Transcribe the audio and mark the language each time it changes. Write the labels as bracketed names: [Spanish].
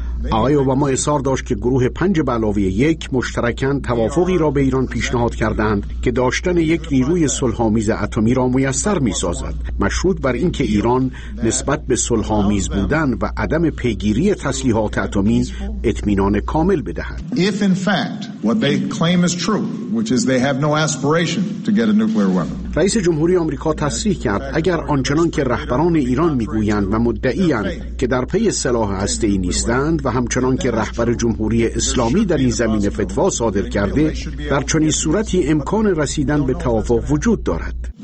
[Persian] آقای اوباما اصرار داشت که گروه 5+1 مشترکاً توافقی را به ایران پیشنهاد کردند که داشتن یک نیروی صلح‌آمیز اتمی را میسر می‌سازد، مشروط بر اینکه ایران نسبت به صلح‌آمیز بودن و عدم پیگیری تسلیحات اتمی اطمینان کامل بدهد. [English] If in fact what they claim is true, which is they have no aspiration to get a nuclear weapon. [Persian] رئیس جمهوری آمریکا تصریح کرد اگر آنچنان که رهبران ایران میگویند و مدعیند که در پی سلاح هسته‌ای نیستند و همچنان که رهبر جمهوری اسلامی در این زمین فتوا صادر کرده، در چنین صورتی امکان رسیدن به توافق وجود دارد.